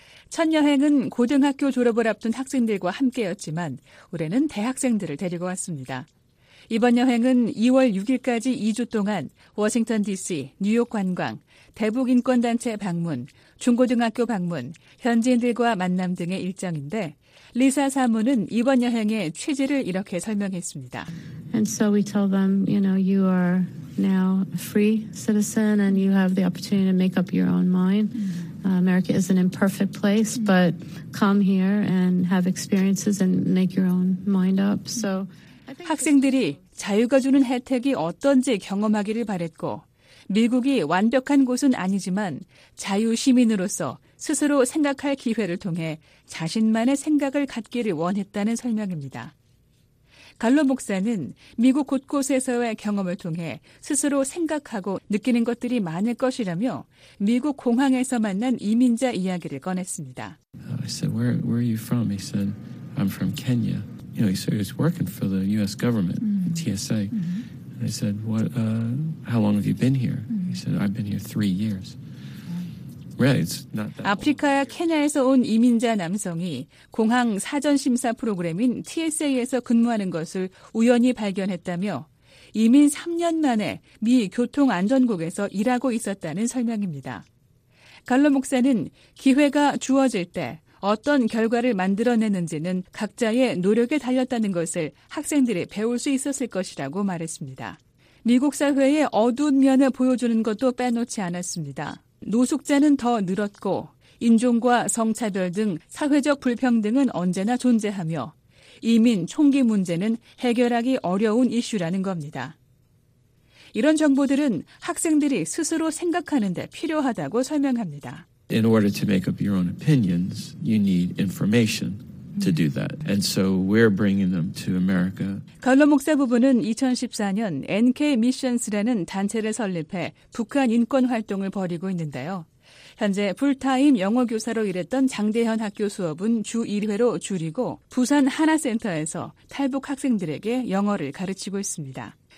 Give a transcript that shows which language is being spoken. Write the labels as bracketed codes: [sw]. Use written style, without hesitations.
[ko] 첫 여행은 고등학교 졸업을 앞둔 학생들과 함께였지만 올해는 대학생들을 데리고 왔습니다. 이번 여행은 2월 6일까지 2주 동안 워싱턴 DC, 뉴욕 관광, 대북 인권단체 방문, 중고등학교 방문, 현지인들과 만남 등의 일정인데 리사 사모는 이번 여행의 취지를 이렇게 설명했습니다. [en] And so we told them, you know, you are now a free citizen and you have the opportunity to make up your own mind. America is an imperfect place, but come here and have experiences and make your own mind up. So [ko] 학생들이 자유가 주는 혜택이 어떤지 경험하기를 바랬고 미국이 완벽한 곳은 아니지만 자유 시민으로서 스스로 생각할 기회를 통해 자신만의 생각을 갖기를 원했다는 설명입니다. 갈로 목사는 미국 곳곳에서의 경험을 통해 스스로 생각하고 느끼는 것들이 많을 것이라며 미국 공항에서 만난 이민자 이야기를 꺼냈습니다. [en] I said, where are you from? He said, I'm from Kenya. You know, he said he was working for the U.S. government, TSA. And I said, how long have you been here? He said, I've been here 3 years. [ko] 아프리카 케냐에서 온 이민자 남성이 공항 사전 심사 프로그램인 TSA에서 근무하는 것을 우연히 발견했다며 이민 3년 만에 미 교통안전국에서 일하고 있었다는 설명입니다. 갈로 목사는 기회가 주어질 때 어떤 결과를 만들어내는지는 각자의 노력에 달렸다는 것을 학생들이 배울 수 있었을 것이라고 말했습니다. 미국 사회의 어두운 면을 보여주는 것도 빼놓지 않았습니다. 노숙자는 더 늘었고 인종과 성차별 등 사회적 불평등은 언제나 존재하며 이민 총기 문제는 해결하기 어려운 이슈라는 겁니다. 이런 정보들은 학생들이 스스로 생각하는 데 필요하다고 설명합니다. [en] In order to make up your own opinions, you need information to do that. And so we're bringing them to America. [ko] 갈로 목사 부부는 2014년 NK 미션스라는 단체를 설립해 북한 인권 활동을 벌이고 있는데요. 현재 풀타임 영어 교사로 일했던 장대현 학교 수업은 주 1회로 줄이고 부산 하나 센터에서 탈북 학생들에게 영어를 가르치고 있습니다.